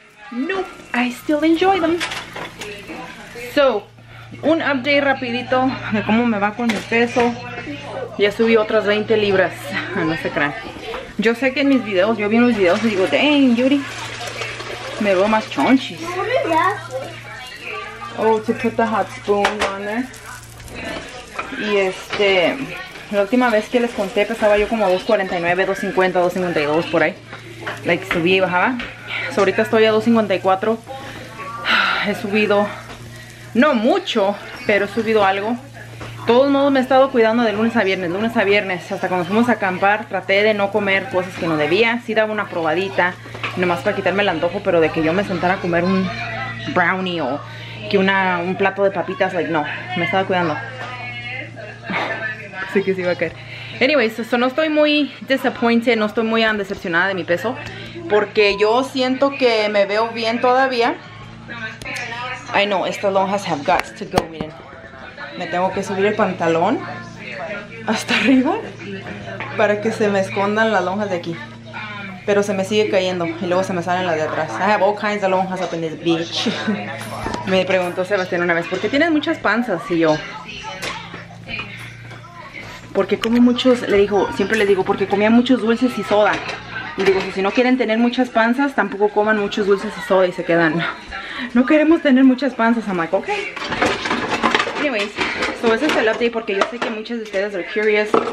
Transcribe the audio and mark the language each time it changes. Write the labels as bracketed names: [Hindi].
[English] Nope, I still enjoy them. [Spanish] So, un update rapidito de cómo me va con mi peso. Ya subí otras 20 libras. No se crean. Yo sé que en mis videos, yo vi unos videos y digo, dang, Yuri, me veo más chonchis. [English] Oh, to put the hot spoon on there. [Spanish] Y este, la última vez que les conté, pesaba yo como 249, 250, 252, por ahí. Like, subía y bajaba. So, ahorita estoy a 254. He subido, no mucho, pero he subido algo. De todos modos, me he estado cuidando de lunes a viernes, lunes a viernes. Hasta cuando fuimos a acampar, traté de no comer cosas que no debía. Sí daba una probadita, nomás para quitarme el antojo, pero de que yo me sentara a comer un brownie o que un plato de papitas, like, no. Me estaba cuidando. Sí que se iba a caer. Anyways, so no estoy muy disappointed, no estoy muy decepcionada de mi peso, porque yo siento que me veo bien todavía. [English] I know, [Spanish] estas lonjas [English] have got to go, [Spanish] miren. Me tengo que subir el pantalón hasta arriba para que se me escondan las lonjas de aquí. Pero se me sigue cayendo y luego se me salen las de atrás. [English] I have all kinds of lonjas up in this bitch. [Spanish] Me preguntó Sebastián una vez, ¿por qué tienes muchas panzas? Y yo, porque como muchos, le dijo, siempre les digo, porque comía muchos dulces y soda. Y digo, si no quieren tener muchas panzas, tampoco coman muchos dulces y soda y se quedan. No queremos tener muchas panzas. [English] I'm like, okay. [Spanish] Anyways, so ese es el update, porque yo sé que muchas de ustedes [English] are curious.